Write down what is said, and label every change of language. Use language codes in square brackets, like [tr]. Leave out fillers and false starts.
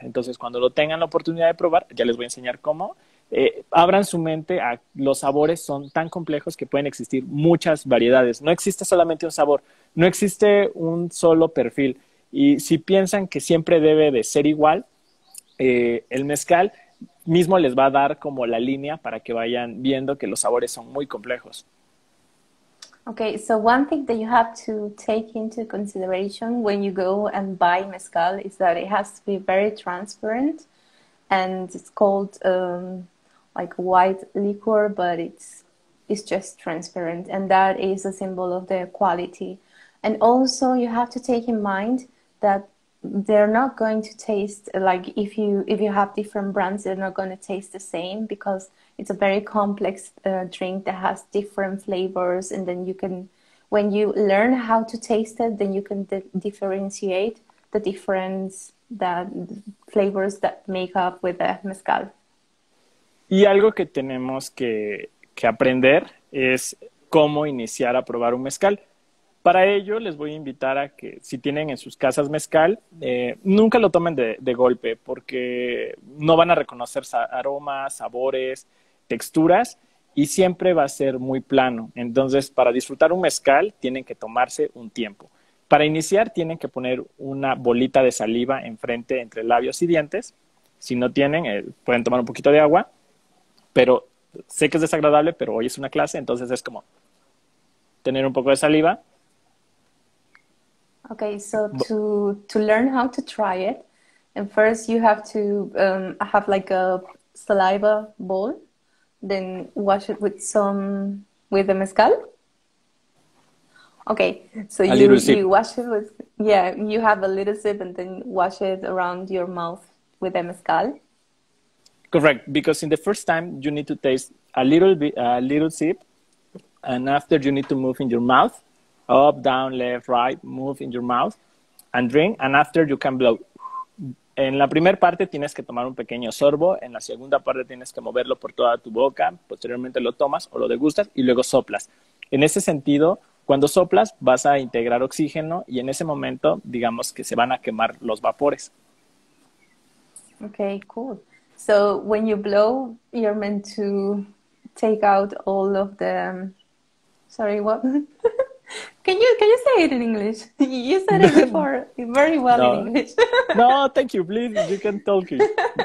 [es] Entonces, cuando lo tengan la oportunidad de probar, ya les voy a enseñar cómo, abran su mente a los sabores, son tan complejos que pueden existir muchas variedades. No existe solamente un sabor, no existe un solo perfil. Y si piensan que siempre debe de ser igual, el mezcal mismo les va a dar como la línea para que vayan viendo que los sabores son muy complejos. [en] Okay, so one thing that you have to take into consideration when you go and buy mezcal is that it has to be very transparent, and it's called like white liquor, but it's just transparent, and that is a symbol of the quality. And also you have to take in mind that they're not going to taste, like if you have different brands, they're not going to taste the same, because it's a very complex drink that has different flavors. And then you can, when you learn how to taste it, then you can differentiate the difference, the flavors that make up with the mezcal. [es] Y algo que tenemos que aprender es cómo iniciar a probar un mezcal. Para ello, les voy a invitar a que, si tienen en sus casas mezcal, nunca lo tomen de golpe, porque no van a reconocer aromas, sabores, texturas, y siempre va a ser muy plano. Entonces, para disfrutar un mezcal, tienen que tomarse un tiempo. Para iniciar, tienen que poner una bolita de saliva enfrente, entre labios y dientes. Si no tienen, pueden tomar un poquito de agua, pero sé que es desagradable, pero hoy es una clase, entonces es como tener un poco de saliva. [en] Okay, so to learn how to try it, and first you have to have like a saliva bowl, then wash it with the mezcal. Okay, so you wash it with, yeah, you have a little sip and then wash it around your mouth with the mezcal. Correct, because in the first time you need to taste a little sip, and after you need to move in your mouth. Up, down, left, right, move in your mouth and drink, and after you can blow. [es] En la primera parte tienes que tomar un pequeño sorbo, en la segunda parte tienes que moverlo por toda tu boca, posteriormente lo tomas o lo degustas y luego soplas. En ese sentido, cuando soplas vas a integrar oxígeno y en ese momento digamos que se van a quemar los vapores. [en] Okay, cool. So when you blow, you're meant to take out all of the... Sorry, what... Can you say it in English? You said it before very well in English. No, thank you. Please, you can talk it.